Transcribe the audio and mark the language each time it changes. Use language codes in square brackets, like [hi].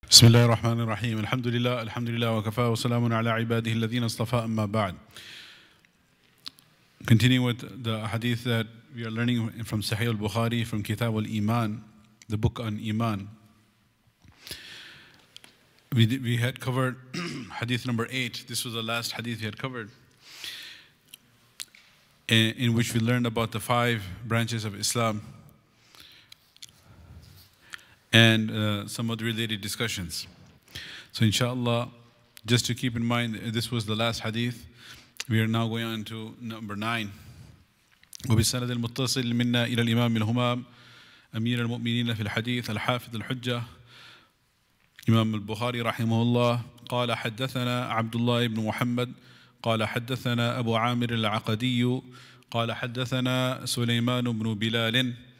[ar] بسم الله الرحمن الرحيم الحمد لله وكفى وسلام على عباده الذين اصطفى أما بعد. [en] Continuing with the hadith that we are learning from Sahih al-Bukhari from Kitab al-Iman, the book on Iman. We had covered hadith number 8. This was the last hadith we had covered, in which we learned about the 5 branches of Islam and some of the related discussions. So inshallah, just to keep in mind, this was the last hadith. We are now going on to number 9. [ar] وَبِالسَّنَدِ الْمُتَّصِلِ مِنَّا إِلَى الْإِمَامِ مِنْ هُمَامِ أَمِيرَ الْمُؤْمِنِينَ فِي الْحَدِيثِ الْحَافِظِ الْحُجَّةِ إمام البخاري رحمه الله قال حدثنا عبد الله بن محمد قال حدثنا أبو عامر العقدي قال حدثنا سليمان بن بلال